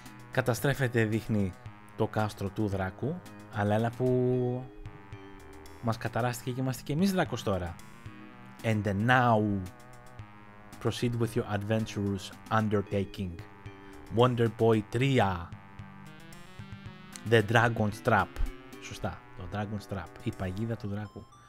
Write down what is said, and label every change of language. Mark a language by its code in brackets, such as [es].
[el] Καταστρέφεται, δείχνει το κάστρο του δράκου, αλλά έλα που μας καταράστηκε και είμαστε και εμείς δράκος τώρα. [en] And now, proceed with your adventurous undertaking. Wonder Boy 3. The Dragon's Trap. [el] Σωστά, το Dragon's Trap, η παγίδα του δράκου.